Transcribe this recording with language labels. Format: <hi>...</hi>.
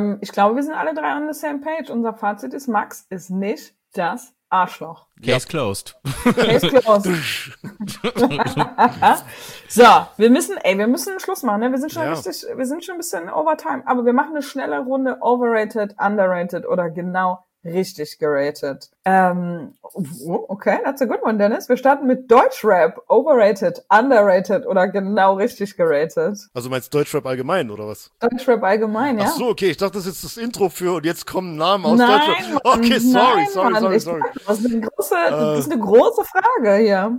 <de>Ich glaube, wir sind alle drei</de> <en>on the same page.</en> <de>Unser Fazit ist, Max ist nicht das Arschloch. Case closed. So, wir müssen Schluss machen, ne? Wir sind schon ein bisschen overtime, aber wir machen eine schnelle Runde overrated, underrated oder genau richtig gerated.</de> <en>Okay, that's a good one, Dennis.</en> <de>Wir starten mit Deutschrap, overrated, underrated oder genau richtig gerated. Also meinst du Deutschrap allgemein oder was? Deutschrap allgemein, ja. Ach so, okay, ich dachte, das ist jetzt das Intro für und jetzt kommen Namen aus Deutschrap. Okay, sorry. Das ist eine große Frage hier.</de>